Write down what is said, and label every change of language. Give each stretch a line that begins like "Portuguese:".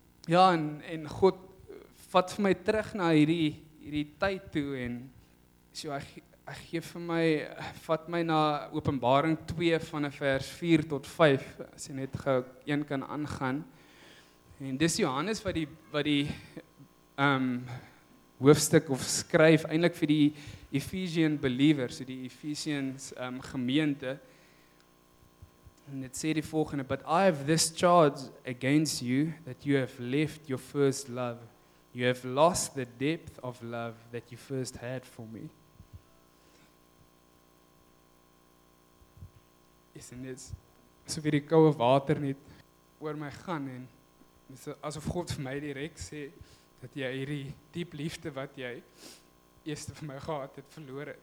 Afrikaans: En God vat vir my terug na hierdie tyd toe en so hy gee vir my, vat my na Openbaring 2 van vers 4 tot 5, as jy net gou een kan aangaan. En dis Johannes wat die hoofstuk of skryf eintlik vir die
English: Ephesian believers,
Afrikaans: so die Ephesians gemeente. En dit sê die volgende,
English: but I have this charge against you, that you have left your first love. You have lost the depth of love that you first had for me.
Afrikaans: En dit is soos die koue water net oor my gaan en asof God vir my direk sê dat jy hierdie diep liefde wat jy eers vir my gehad het verloor het.